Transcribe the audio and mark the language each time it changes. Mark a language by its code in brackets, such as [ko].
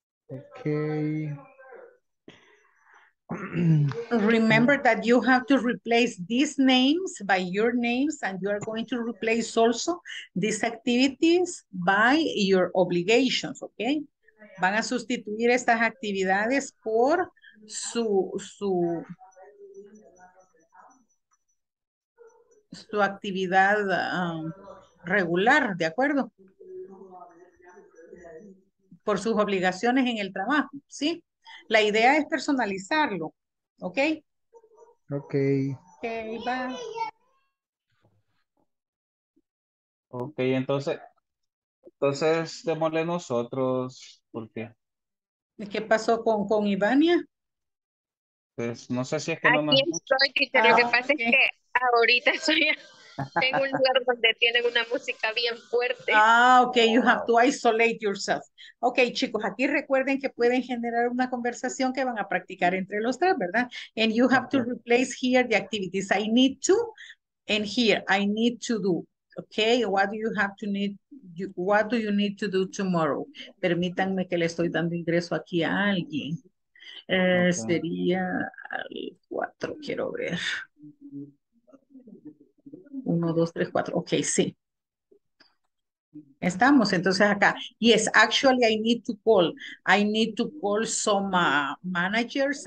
[en] Okay. Remember that you have to replace these names by your names, and you are going to replace also these activities by your obligations, okay? [es] Van a sustituir estas actividades por su actividad regular, ¿de acuerdo? Por sus obligaciones en el trabajo, ¿sí? La idea es personalizarlo, ¿ok? Ok. Ok, va. Ok, entonces démosle nosotros, ¿por qué? ¿Qué pasó con Ivania? Pues no sé si es que aquí no nos... estoy, Peter, lo que pasa es que ahorita soy en un lugar donde tienen una música bien fuerte. [en] Ah, okay, you have to isolate yourself. [es] Okay, chicos, aquí recuerden que pueden generar una conversación que van a practicar entre los tres, ¿verdad? [en] And you have to replace here the activities I need to, and here I need to do. Okay, what do you need to do tomorrow? [es] Permítanme que le estoy dando ingreso aquí a alguien. Sería al 4, quiero ver. 1, 2, 3, 4. Okay, sí. Estamos entonces acá. [en] Yes, actually I need to call. I need to call some managers.